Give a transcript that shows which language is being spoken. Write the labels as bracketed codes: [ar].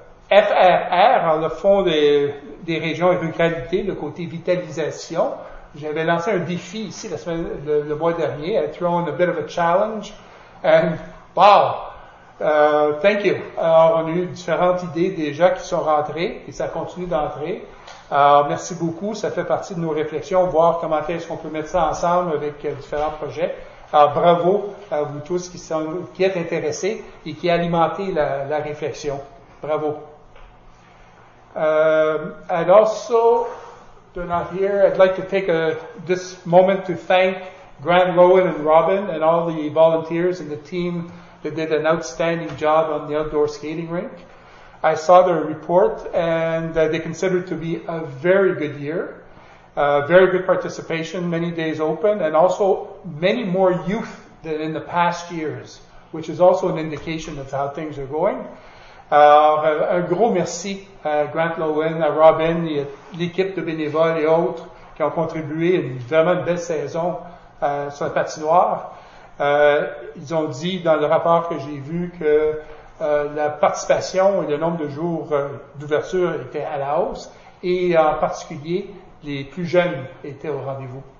[fr] FRR, le Fonds des régions et ruralités, le côté vitalisation, j'avais lancé un défi ici le mois dernier. [en] I threw on a bit of a challenge, and wow! Thank you. [fr] Alors, on a eu différentes idées déjà qui sont rentrées et ça continue d'entrer. Alors, merci beaucoup. Ça fait partie de nos réflexions, voir comment est-ce qu'on peut mettre ça ensemble avec différents projets. Alors, bravo à vous tous qui êtes intéressés et qui alimentez la réflexion. Bravo. [en] And also, they're not here. I'd like to take this moment to thank Grant Rowan and Robin and all the volunteers and the team that did an outstanding job on the outdoor skating rink. I saw their report, and they considered to be a very good year. Very good participation, many days open, and also many more youth than in the past years, which is also an indication of how things are going. [fr] Un gros merci à Grant Lowen, à Robin, et à l'équipe de bénévoles et autres qui ont contribué à une vraiment belle saison sur la patinoire. Ils ont dit dans le rapport que j'ai vu que la participation et le nombre de jours d'ouverture étaient à la hausse, et en particulier les plus jeunes étaient au rendez-vous.